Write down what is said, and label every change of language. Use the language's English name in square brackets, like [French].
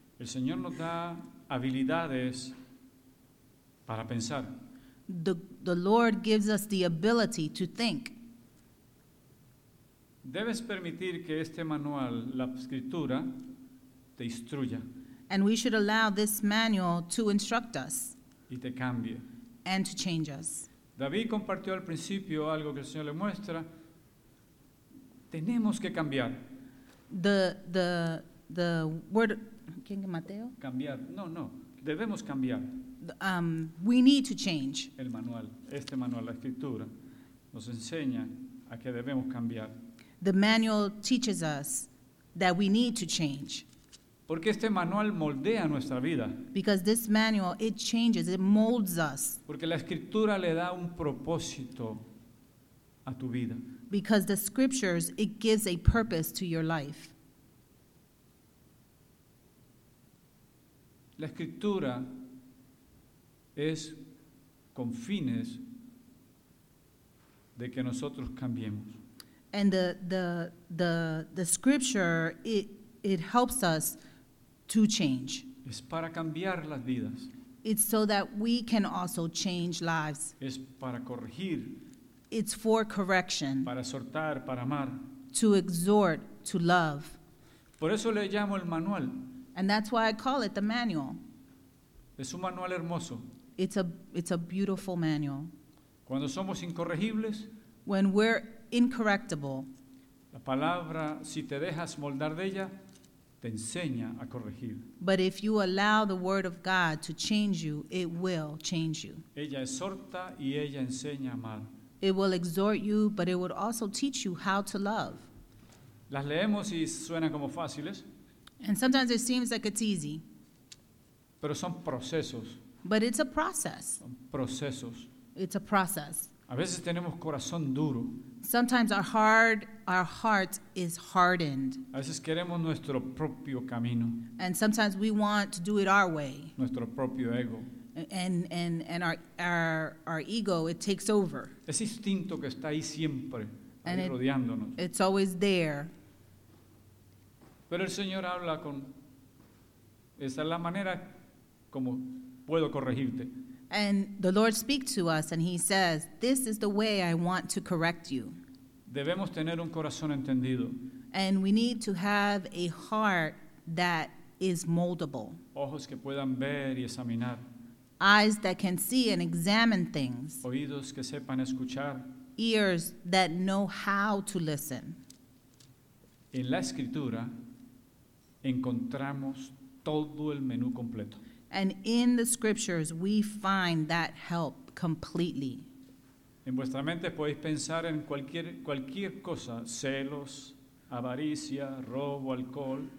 [Spanish] El Señor nos da habilidades para pensar. [English] The Lord gives us the ability to think. [Spanish] Debes permitir que este manual, la escritura, te instruya. [English] And we should allow this manual to instruct us. [Spanish] Y te cambie. [English] And to change us. [Spanish] David compartió al principio algo que el Señor le muestra. Tenemos que cambiar. [English] The word, [Spanish] ¿quién es Mateo? Cambiar. No. Debemos cambiar. [English] We need to change. [Spanish] El manual, este manual, la escritura, nos enseña a que debemos cambiar. [English] The manual teaches us that we need to change. [Spanish] Porque este manual moldea nuestra vida. [English] Because this manual, it changes, it molds us. [Spanish] Porque la escritura le da un propósito a tu vida. [English] Because the scriptures, it gives a purpose to your life. [Spanish] La escritura es con fines de que nosotros cambiemos. [English] And the scripture, it helps us to change. [Spanish] Es para cambiar las vidas. [English] It's so that we can also change lives. [Spanish] Es para corregir. [English] It's for correction. [Spanish] Para exhortar, para amar. [English] To exhort, to love. [Spanish] Por eso le llamo el manual. [English] And that's why I call it the manual. [Spanish] Es un manual hermoso. [English] It's a beautiful manual. [Spanish] Cuando somos incorregibles, [English] when we're incorrectible, [Spanish] la palabra, si te dejas moldar de ella, te enseña a corregir. [English] But if you allow the word of God to change you, it will change you. [Spanish] Ella exhorta y ella enseña a amar. [English] It will exhort you, but it will also teach you how to love. [Spanish] Las leemos y suenan como fáciles. [English] And sometimes it seems like it's easy. [Spanish] Pero son procesos. [English] But it's a process. [Spanish] Son procesos. [English] It's a process. [Spanish] A veces tenemos corazón duro. [English] Sometimes our heart is hardened. [Spanish] A veces queremos nuestro propio camino. [English] And sometimes we want to do it our way. [Spanish] Nuestro propio ego. [English] And our ego, it takes over. [Spanish] Ese instinto que está ahí siempre, and ahí rodeándonos. [English] It's always there. [Spanish] Pero el Señor habla con esa es la manera como puedo corregirte. [English] And the Lord speaks to us and he says, this is the way I want to correct you. [Spanish] Debemos tener un corazón entendido. [English] And we need to have a heart that is moldable. [Spanish] Ojos que puedan ver y examinar. [English] Eyes that can see and examine things. [Spanish] Oídos que sepan escuchar. [English] Ears that know how to listen. [Spanish] En la escritura encontramos todo el menú completo. [English] And in the scriptures we find that help completely. [Spanish] En vuestra mente podéis pensar en cualquier cosa, celos, avaricia, robo, alcohol.